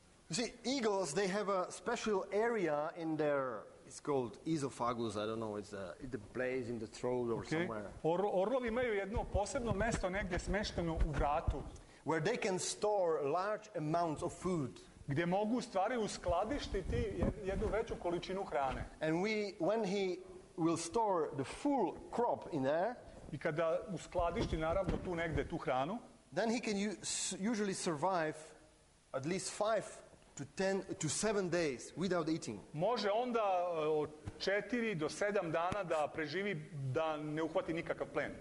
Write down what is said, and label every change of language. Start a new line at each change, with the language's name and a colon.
English: You see, eagles, they have a special area in their, it's called esophagus, I don't know, it's the place in the throat or okay. Somewhere.
Serbian: Orlovi imaju jedno posebno mesto negdje smešteno u vratu.
English: Where they can store large amounts of food.
Serbian: gdje mogu u stvari uskladištiti jednu veću količinu hrane.
English: And we, when he will store the full crop in there,
Serbian: i kada uskladišti naravno tu negde tu hranu,
English: then he can usually survive at least 5 to 7 days without eating.
Serbian: Može onda 4 do 7 dana da preživi da ne uhvati nikakav plen.